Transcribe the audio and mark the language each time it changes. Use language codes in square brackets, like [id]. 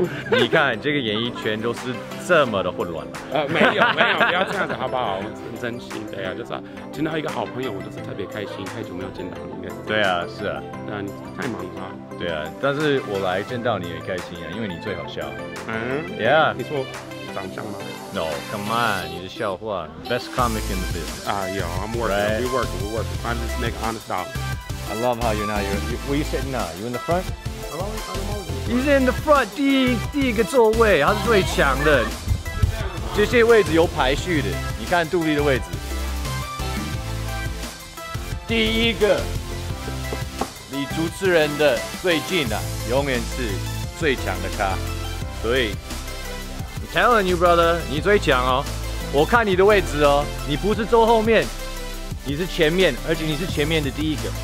[zh] 你看这个演艺圈就是这么的混乱了。没有，不要这样子好不好？我很真心的呀、啊，就是、啊、听到一个好朋友，我就是特别开心。太久没有见到你，应该是。对啊，是啊。那你太忙了。对啊，但是我来见到你也开心啊，因为你最好笑。嗯，Yeah。你说。长相吗 [en] ？No, come on, [zh] 你的笑话 [en] ，best comic in the biz. I'm working.、Right? We work. I'm just make honest out. I love how you're now. Where you sitting now? You in the front? I'm always. He's in the front. [zh] 第一个座位，他是最强的。这些位置有排序的。你看杜立的位置，第一个，离主持人的最近的、啊，永远是最强的咖。所以。 [en] Telling you, brother, [zh] 你最强哦！我看你的位置哦，你不是坐后面，你是前面，而且你是前面的第一个。